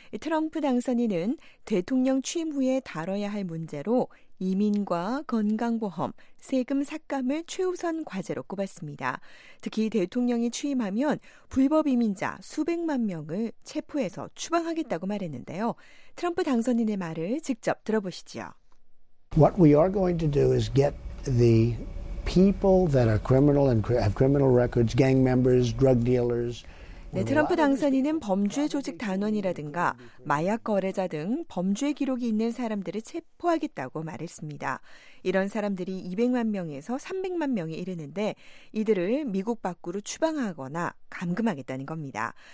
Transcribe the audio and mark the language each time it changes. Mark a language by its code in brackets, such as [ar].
[ko] 트럼프 당선인은 대통령 취임 후에 다뤄야 할 문제로 이민과 건강보험, 세금 삭감을 최우선 과제로 꼽았습니다. 특히 대통령이 취임하면 불법 이민자 수백만 명을 체포해서 추방하겠다고 말했는데요. 트럼프 당선인의 말을 직접 들어보시죠. [en] What we are going to do is get the people that are criminal and have criminal records, gang members, drug dealers. [ko] 네, 트럼프 당선인은 범죄 조직 단원이라든가 마약 거래자 등 범죄 기록이 있는 사람들을 체포하겠다고 말했습니다. 이런 사람들이 200만 명에서 300만 명에 이르는데 이들을 미국 밖으로 추방하거나 감금하겠다는 겁니다.